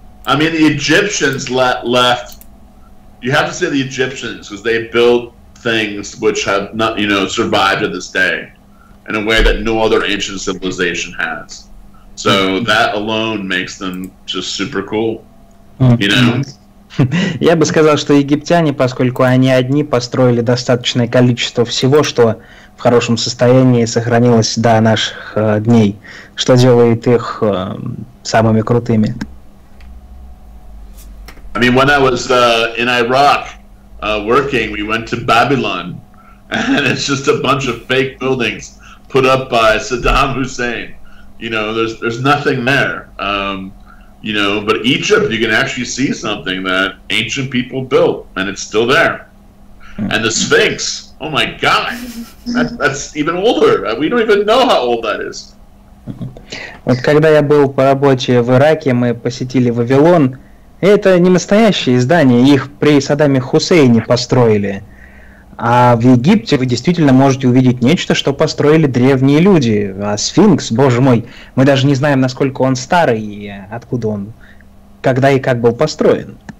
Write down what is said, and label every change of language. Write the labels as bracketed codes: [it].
[en] I mean, the Egyptians left. You have to say the Egyptians, because they built things which have not, you know, survived to this day in a way that no other ancient civilization has. So that alone makes them just super cool, you know? [ru] Я бы сказал, что египтяне, поскольку они одни, построили достаточное количество всего, что в хорошем состоянии сохранилось до наших дней, что делает их самыми крутыми. [en] I mean, when I was in Iraq working, we went to Babylon, and it's just a bunch of fake buildings put up by Saddam Hussein. You know, there's nothing there. You know, but Egypt, you can actually see something that ancient people built, and it's still there. And the Sphinx, oh my God, that's even older. We don't even know how old that is. [ru] Вот когда я был по работе в Ираке, мы посетили Вавилон. Это не настоящие здания, их при Саддаме Хусейне построили. А в Египте вы действительно можете увидеть нечто, что построили древние люди. А сфинкс, боже мой, мы даже не знаем, насколько он старый и откуда он, когда и как был построен.